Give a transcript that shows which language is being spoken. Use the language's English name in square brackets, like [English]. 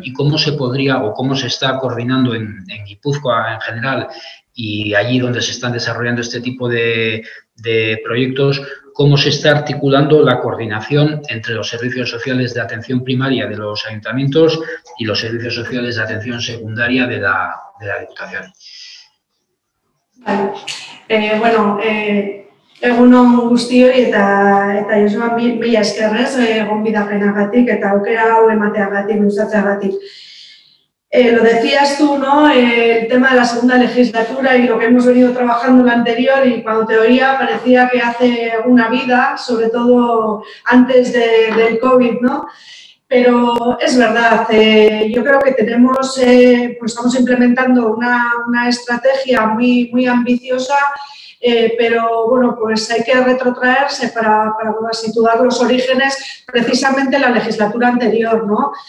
[Spanish] ¿Y cómo se podría o cómo se está coordinando en Gipuzkoa en general y allí donde se están desarrollando este tipo de proyectos? ¿Cómo se está articulando la coordinación entre los servicios sociales de atención primaria de los ayuntamientos y los servicios sociales de atención secundaria de la Diputación? Vale. [Basque] Bueno, egunon guztioi eta Josuan mila eskerrez, gonbidapenagatik eta aukera hau emateagatik, mintzatzeagatik. [Spanish] Lo decías tú, ¿no? El tema de la segunda legislatura y lo que hemos venido trabajando en la anterior y cuando te oía parecía que hace una vida, sobre todo antes del COVID, ¿no? Pero es verdad, yo creo que tenemos, pues estamos implementando una estrategia muy, muy ambiciosa, pero bueno, pues hay que retrotraerse para situar los orígenes precisamente en la legislatura anterior, ¿no?